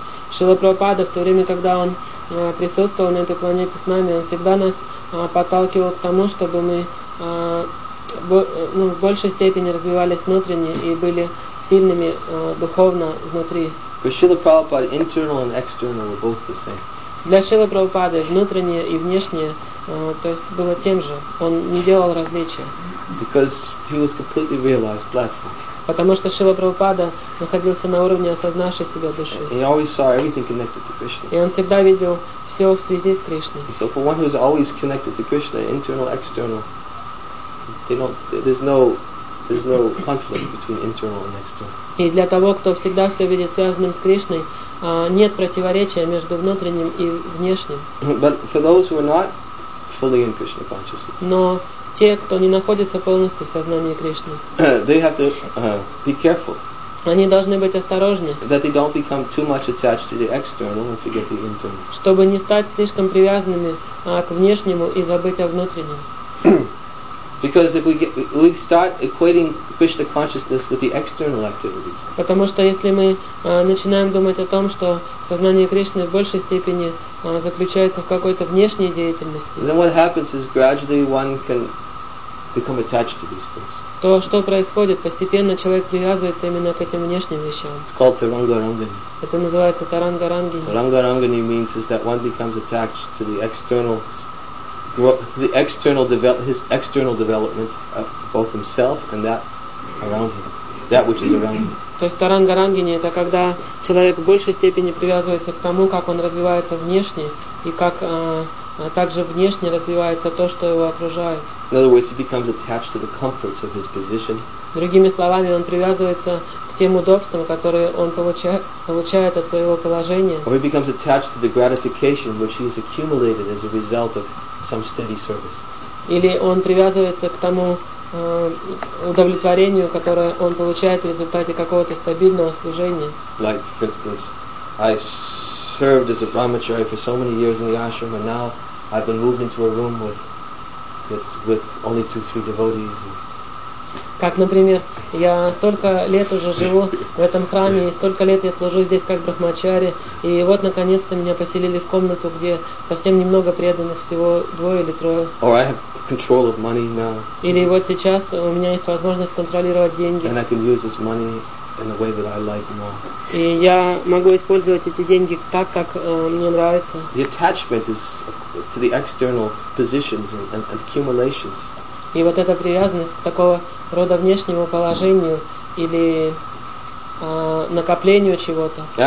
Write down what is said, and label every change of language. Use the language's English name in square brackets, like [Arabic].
[Russian] Шрила Прабхупада в то время, когда он присутствовал на этой планете с нами, он всегда нас подталкивал к тому, чтобы мы в большей степени развивались внутренне и были сильными духовно внутри. [English] For Srila Prabhupada, internal and external were both the same. [Russian] Для Шрилы Прабхупады внутреннее и внешнее, то есть было тем же. Он не делал различия. [English] Because he was completely realized platform. [Russian] Потому что Шрила Прабхупада находился на уровне осознавшей себя души. [English] He always saw everything connected to Krishna. [Russian] И он всегда видел все в связи с Кришной. [English] So for one who is always connected to Krishna, internal, external, there's no conflict between internal and external. [Russian] И для того, кто всегда все видит связанным с Кришной, нет противоречия между внутренним и внешним. [English] But for those who are not fully in Krishna consciousness. [Russian] Но те, кто не находится полностью в сознании Кришны, [English] they have to be careful. [Russian] Они должны быть осторожны, [English] that they don't become too much attached to the external and forget the internal. [Russian] Чтобы не стать слишком привязанными к внешнему и забыть о внутреннем. [English] Because if we start equating Krishna consciousness with the external activities. [Russian] Потому что если мы начинаем думать о том, что сознание Кришны в большей степени заключается в какой-то внешней деятельности. [English] Then what happens is gradually one can become attached to these things. [Russian] То, что происходит, постепенно человек привязывается именно к этим внешним вещам. [English] It's called taranga-rangani. [Russian] Это называется таранга-рангани. [English] Taranga-rangani means is that one becomes attached to the external. His external development of both himself and that around him, that which is around him. [Russian] То есть таранга рангини — это когда человек в большей степени привязывается к тому, как он развивается внешне, и как также внешне развивается то, что его окружает. [English] In other words, he becomes attached to the comforts of his position. [Russian] Другими словами, он привязывается к тем удобствам, которые он получает от своего положения. [English] Or he becomes attached to the gratification which he has accumulated as a result of some steady service. [Russian] Или он привязывается к тому удовлетворению, которое он получает в результате какого-то стабильного служения. [English] Like, for instance, I served as a brahmachari for so many years in the ashram, and now I've been moved into a room with only 2-3 devotees. [Russian] Как, например, я столько лет уже живу в этом храме, и столько лет я служу здесь как брахмачари, и вот наконец-то меня поселили в комнату, где совсем немного преданных, всего двое или трое. [English] Or I have control of money now. [Russian] Или вот сейчас у меня есть возможность контролировать деньги. [English] And I can use this money in the way that I like more. [Russian] И я могу использовать эти деньги так, как мне нравится. [English] The attachment is to the external positions and accumulations. [Russian] И вот эта привязанность к такого рода внешнему положению или накоплению чего-то.